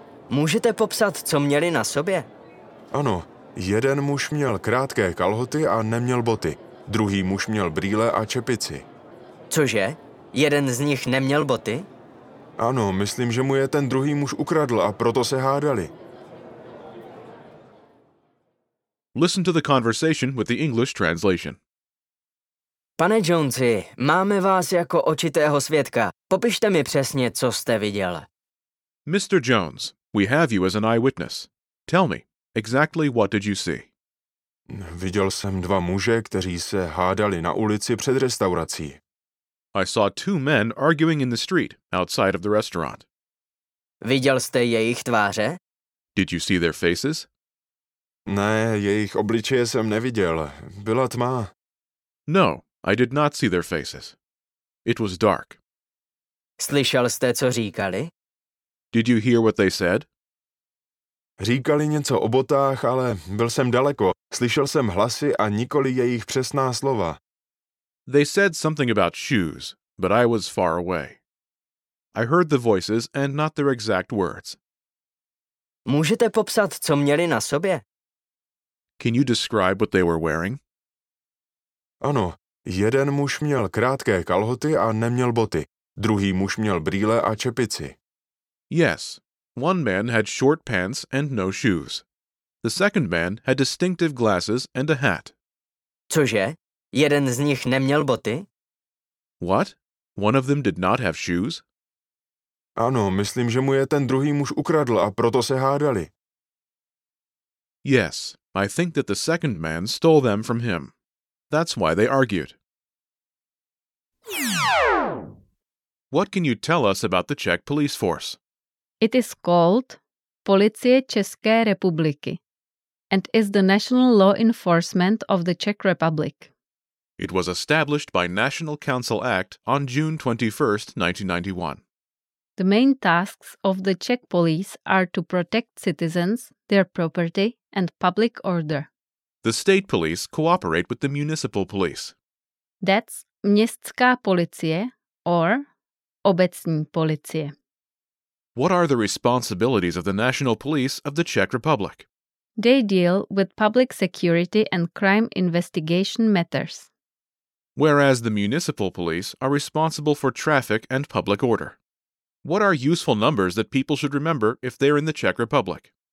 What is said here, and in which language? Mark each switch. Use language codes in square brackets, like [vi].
[cs] Můžete popsat, co měli na sobě? Ano, jeden muž měl krátké kalhoty a neměl boty. Druhý muž měl brýle a čepici. Cože? Jeden z nich neměl boty? Ano, myslím, že mu je ten druhý muž ukradl a proto se hádali. [en] Listen to the conversation with the English translation. [cs] Pane Jonesi, máme vás jako očitého svědka. Popište mi přesně, co jste viděl. [en] Mr. Jones, we have you as an eyewitness. Tell me, exactly what did you see? [cs] Viděl jsem dva muže, kteří se hádali na ulici před restaurací. [en] I saw two men arguing in the street, outside of the restaurant. [cs] Viděl jste jejich tváře? [en] Did you see their faces? [cs] Ne, jejich obličeje jsem neviděl. Byla tma. [en] No. I did not see their faces. It was dark. [cs] Slyšel jste, co říkali? [en] Did you hear what they said? [cs] Říkali něco o botách, ale byl jsem daleko. Slyšel jsem hlasy a nikoli jejich přesná slova. [en] They said something about shoes, but I was far away. I heard the voices and not their exact words. [cs] Můžete popsat, co měli na sobě? [en] Can you describe what they were wearing? [cs] Ano. Jeden muž měl krátké kalhoty a neměl boty. Druhý muž měl brýle a čepici. [en] Yes, one man had short pants and no shoes. The second man had distinctive glasses and a hat. [cs] Cože? Jeden z nich neměl boty? [en] What? One of them did not have shoes? [cs] Ano, myslím, že mu je ten druhý muž ukradl a proto se hádali. [en] Yes, I think that the second man stole them from him. That's why they argued. What can you tell us about the Czech police force? It is called Policie České republiky and is the national law enforcement of the Czech Republic. It was established by National Council Act on June 21, 1991. The main tasks of the Czech police are to protect citizens, their property, and public order. The state police cooperate with the municipal police. That's [cs] městská policie [en] or [cs] obecní policie. [en] What are the responsibilities of the National Police of the Czech Republic? They deal with public security and crime investigation matters. Whereas the municipal police are responsible for traffic and public order. What are useful numbers that people should remember if they're in the Czech Republic?